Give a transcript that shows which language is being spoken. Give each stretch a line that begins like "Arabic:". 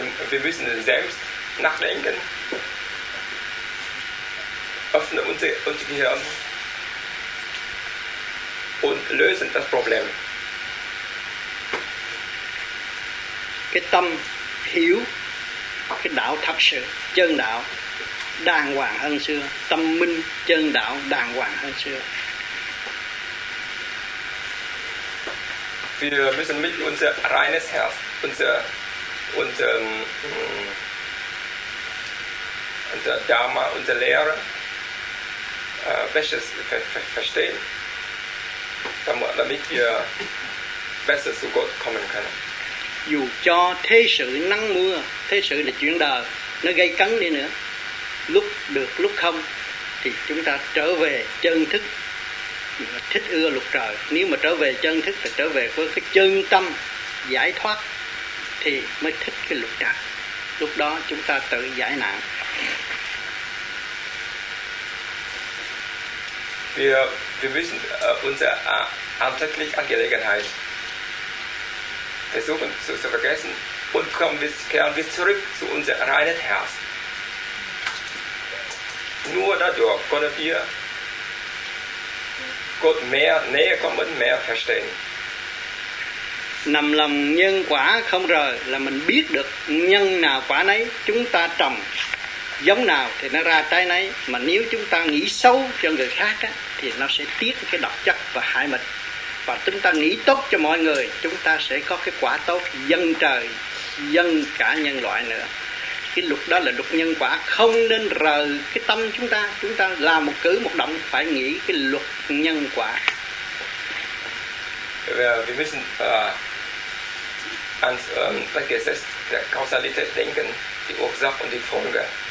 German: Wir müssen selbst nachdenken, öffne unser Gehirn und lösen das Problem.
Vietnamese: Cái tâm hiểu cái đạo thật sự chân đạo đàng hoàng hơn xưa, tâm minh chân đạo đàng hoàng hơn xưa.
German: Wir müssen mit unser reines Herz, unser Dharma, unsere Lehre, welches verstehen, damit wir besser zu Gott kommen können.
Vietnamese: Dù cho thế sự nắng mưa, thế sự là chuyển đời, nó gây cấn đi nữa, lúc được lúc không, thì chúng ta trở về chân thức, thích ưa luật trời. Nếu mà trở về chân thức thì trở về với cái chân tâm giải thoát thì mới thích cái luật trời. Lúc đó chúng ta tự giải nạn.
German: Wir müssen unsere alltägliche Angelegenheit versuchen zu vergessen und kehren wir zurück zu unserem reinen Herz. Nur dadurch können wir Gott mehr näher kommen, mehr verstehen.
Vietnamese: Nằm lòng nhân quả không rời là mình biết được nhân nào quả nấy, chúng ta trồng giống nào thì nó ra trái nấy. Mà nếu chúng ta nghĩ xấu cho người khác á, thì nó sẽ tiết cái độc chất và hại mình. Và chúng ta nghĩ tốt cho mọi người, chúng ta sẽ có cái quả tốt dân trời, dân cả nhân loại nữa. Cái luật đó là luật nhân quả, không nên rời cái tâm chúng ta. Chúng ta làm một cử một động phải nghĩ cái luật nhân quả.
German: Wir müssen ans das Gesetz der Kausalität denken, die Ursache und die Folge.